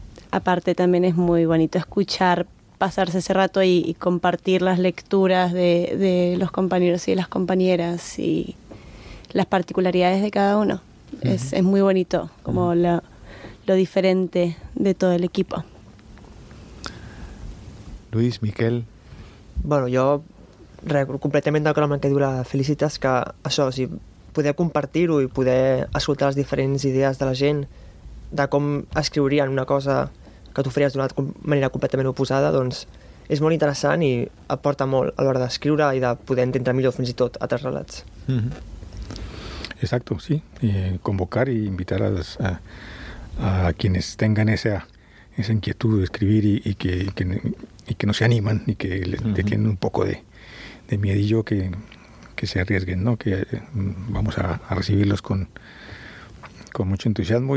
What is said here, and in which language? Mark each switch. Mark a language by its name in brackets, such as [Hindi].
[Spanish] aparte también es muy bonito escuchar pasarse ese rato y compartir las lecturas de los compañeros y de las compañeras y las particularidades de cada uno. Uh-huh. Es muy bonito como uh-huh. lo diferente de todo el equipo. Luis, Miquel. [Catalan] Bueno, jo completament d'acord amb el que diu la Felicitas, que això, o sigui, poder compartir-ho i poder escoltar les diferents idees de la gent de com escriurien una cosa que tu faries d'una manera completament oposada, doncs és molt interessant i aporta molt a l'hora d'escriure i de poder entendre millor fins i tot altres relats. [Spanish] Mm-hmm. Exacto, sí. Convocar i invitar a quienes tengan esa inquietud d'escribir y que no se animan y que le tienen un poco de miedillo que se arriesguen, ¿no? Que vamos a recibirlos con mucho entusiasmo.